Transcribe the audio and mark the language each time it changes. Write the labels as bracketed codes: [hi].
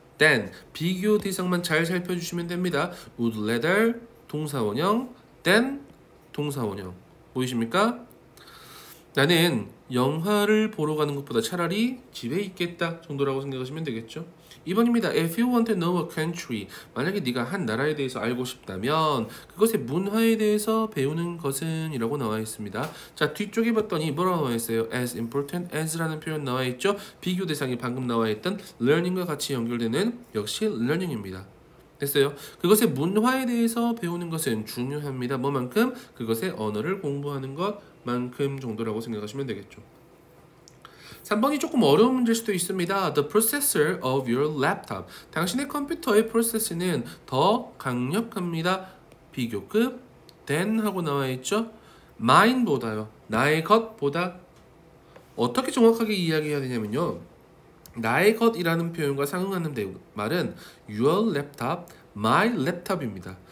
[ko] Then, 비교 대상만 잘 살펴주시면 됩니다. [en] Would rather, [ko] 동사원형, then, 동사원형. 보이십니까? 나는 영화를 보러 가는 것보다 차라리 집에 있겠다 정도라고 생각하시면 되겠죠. 2번입니다. [en] If you want to know a country, [ko] 만약에 네가 한 나라에 대해서 알고 싶다면 그것의 문화에 대해서 배우는 것은 이라고 나와 있습니다. 자, 뒤쪽에 봤더니 뭐라고 나와 있어요? [en] As important as [ko] 라는 표현 나와 있죠. 비교 대상이 방금 나와 있던 learning과 같이 연결되는 역시 learning입니다. 됐어요. 그것의 문화에 대해서 배우는 것은 중요합니다. 뭐만큼? 그것의 언어를 공부하는 것만큼 정도라고 생각하시면 되겠죠. 3번이 조금 어려운 문제일 수도 있습니다. [en] The processor of your laptop. [ko] 당신의 컴퓨터의 프로세스는 더 강력합니다. 비교급 than 하고 나와 있죠. Mine 보다요. 나의 것보다. 어떻게 정확하게 이야기해야 되냐면요. 나의 것이라는 표현과 상응하는 말은 [en] your laptop, my laptop [ko] 입니다.